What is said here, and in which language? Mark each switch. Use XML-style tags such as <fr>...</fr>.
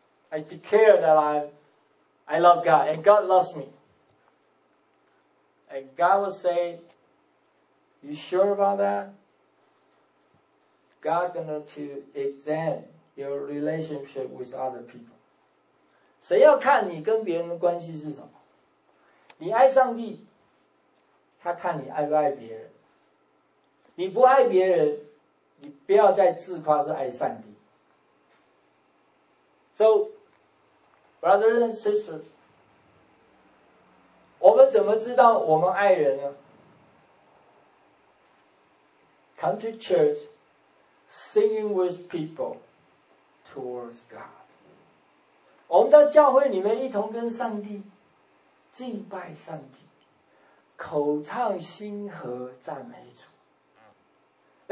<en>I declare that I love God and God loves me. And God will say, "You sure about that?" God gonna to examine your relationship with other people.</en> <zh>谁要看你跟别人的关系是什么？你爱上帝，他看你爱不爱别人。你不爱别人，你不要再自夸是爱上帝。</zh> <en>So, brothers and sisters,</en> <zh>我们怎么知道我们爱人呢？</zh> <en>Come to church, singing with people towards God.</en> <zh>我们在教会里面一同跟上帝敬拜上帝，口唱心和赞美主。</zh>